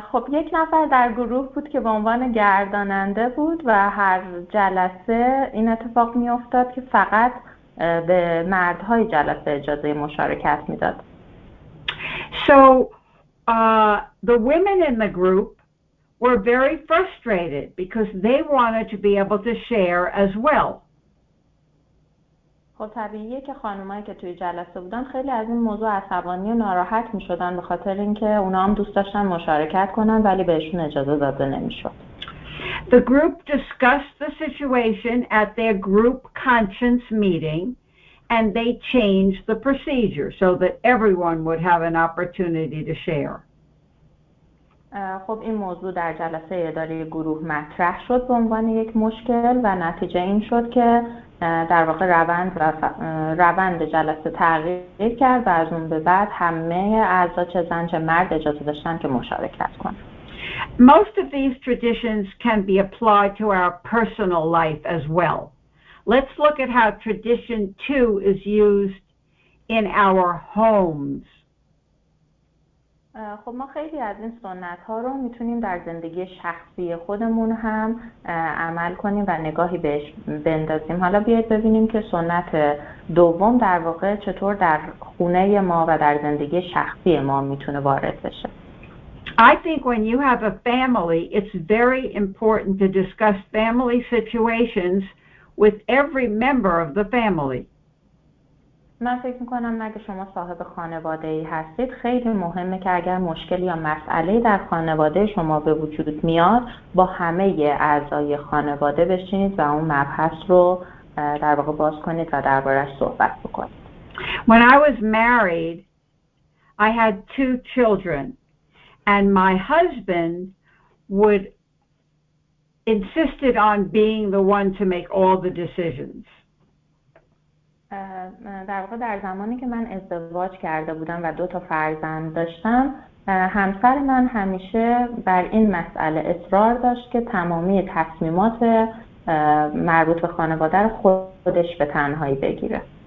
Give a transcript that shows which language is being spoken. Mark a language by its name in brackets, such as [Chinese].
[Persian] خب یک نفر در گروه بود که به عنوان گرداننده بود و هر جلسه این اتفاق می افتاد که فقط به مردهای جلسه اجازه مشارکت می داد. [English] So the women in the group were very frustrated because they wanted to be able to share as well. [Persian] خب طبیعیه که خانمایی که توی جلسه بودن خیلی از این موضوع عصبانی و ناراحت می‌شدن به خاطر اینکه اونا هم دوست داشتن مشارکت کنن ولی بهشون اجازه داده نمی‌شد. [English] The group discussed the situation at their group conscience meeting and they changed the procedure so that everyone would have an opportunity to share. [Persian] خب این موضوع در جلسه اداری گروه مطرح شد به عنوان یک مشکل و نتیجه این شد که در واقع روند جلسه تغییر کرد و از اون به بعد همه اعضا چه زن چه مرد اجازه داشتن که مشارکت کنن. [English] Most of these traditions can be applied to our personal life as well. Let's look at how tradition two is used in our homes. [Persian] خب ما خیلی از این سنت ها رو میتونیم در زندگی شخصی خودمون هم عمل کنیم و نگاهی بهش بندازیم. حالا بیاید ببینیم که سنت دوم در واقع چطور در خونه ما و در زندگی شخصی ما میتونه وارد بشه. [English] I think when you have a family, it's very important to discuss family situations with every member of the family. [Persian] من فکر میکنم اگه شما صاحب خانواده ای هستید خیلی مهمه که اگر مشکل یا مسئله در خانواده شما به وجود میاد با همه اعضای خانواده بشینید و اون مبحث رو در واقع باز کنید و دربارش صحبت بکنید. [English] When I was married, I had two children and my husband would insisted on being the one to make all the decisions. [Persian] در واقع در زمانی که من ازدواج کرده بودم و دو تا فرزند داشتم همسر من همیشه بر این مسئله اصرار داشت که تمامی تصمیمات مربوط به خانواده رو خودش به تنهایی بگیره.